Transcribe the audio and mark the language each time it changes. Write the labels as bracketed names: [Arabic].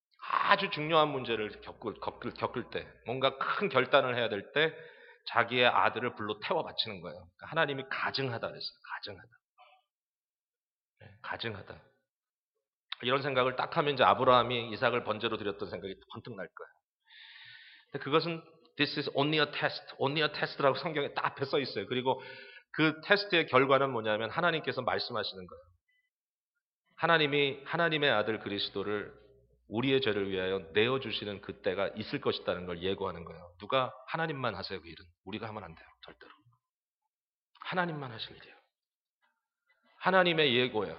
[Korean] 아주 중요한 문제를 겪을 때, 뭔가 큰 결단을 해야 될 때 자기의 아들을 불로 태워 바치는 거예요. 그러니까 하나님이 가증하다 그랬어요. 가증하다. 네, 가증하다. 이런 생각을 딱 하면 이제 아브라함이 이삭을 번제로 드렸던 생각이 번뜩 날 거예요. 근데 그것은 [English] This is only a test. Only a test [Korean] 라고 성경에 딱 앞에 써 있어요. 그리고 그 테스트의 결과는 뭐냐면 하나님께서 말씀하시는 거예요. 하나님의 아들 그리스도를 우리의 죄를 위하여 내어주시는 그때가 있을 것이라는 걸 예고하는 거예요. 누가 하나님만 하세요. 그 일은 우리가 하면 안 돼요. 절대로. 하나님만 하실 일이에요. 하나님의 예고예요.